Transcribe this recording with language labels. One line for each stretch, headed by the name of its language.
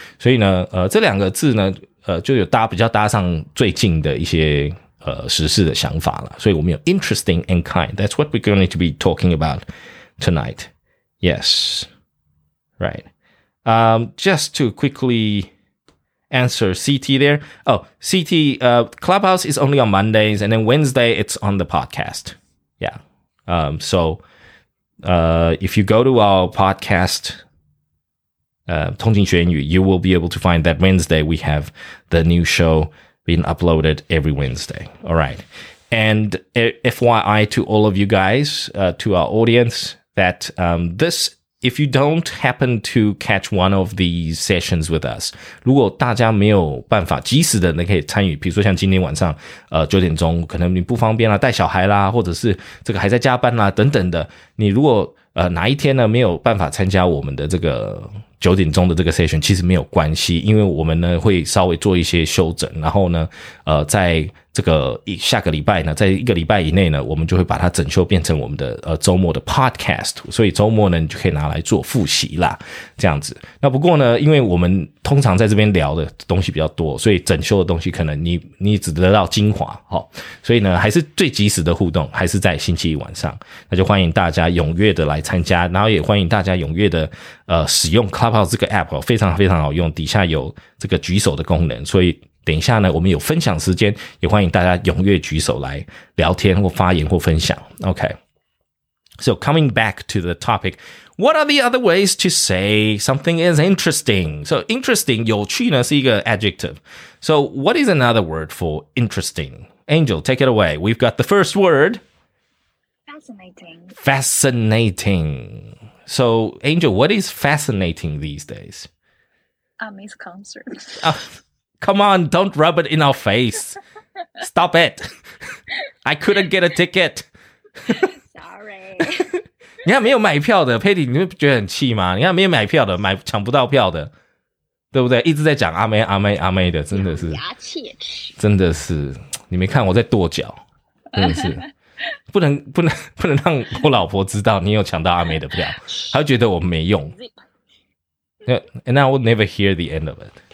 Chinese: 所以呢这两个字呢就有比较搭上最近的一些时事的想法啦。所以我们有
English: interesting and kind, that's what we're going to be talking about tonight. Yes, right. Just to quickly answer CT there. Oh, CT, Clubhouse is only on Mondays, and then Wednesday it's on the podcast. Yeah. So if you go to our podcast, 通勤学英语, you will be able to find that Wednesday we have the new show being uploaded every Wednesday. All right. And FYI to all of you guys, to our audience, that this, if you don't happen to catch one of these sessions with us,
Chinese: 如果大家没有办法及时的可以参与，比如说像今天晚上九点钟，可能你不方便啦，带小孩啦，或者是这个还在加班啦等等的，你如果哪一天呢没有办法参加我们的这个九点钟的这个 session， 其实没有关系，因为我们呢会稍微做一些修整，然后呢在这个下个礼拜呢，在一个礼拜以内呢，我们就会把它整修变成我们的周末的 podcast， 所以周末呢你就可以拿来做复习啦，这样子。那不过呢，因为我们通常在这边聊的东西比较多，所以整修的东西可能你只得到精华，齁、哦。所以呢还是最及时的互动还是在星期一晚上。那就欢迎大家踊跃的来参加，然后也欢迎大家踊跃的使用 Clubhouse 这个 app， 非常非常好用，底下有这个举手的功能，所以等一下呢我们有分享时间，也欢迎大家踊跃举手来聊天或发言或分享。
English: OK， So coming back to the topic, what are the other ways to say something is interesting? So interesting,
Chinese: 有趣呢是一个
English: adjective. So what is another word for interesting? Angel, take it away. We've got the first word. Fascinating. So Angel, what is fascinating these days? Amiable concert. Come on, don't rub it in our face. Stop it. I couldn't get a ticket. Sorry.
Chinese: 你看没有买票的 Patty， 你会觉得很气吗？你看没有买票的，买抢不到票的，对不对？一直在讲阿妹阿妹阿妹的，真的是牙切齿，真的是你没看我在跺脚，真的是不能让我老婆知道你有抢到阿妹的票，她会觉得我没用。
English: And I will never hear the end of it.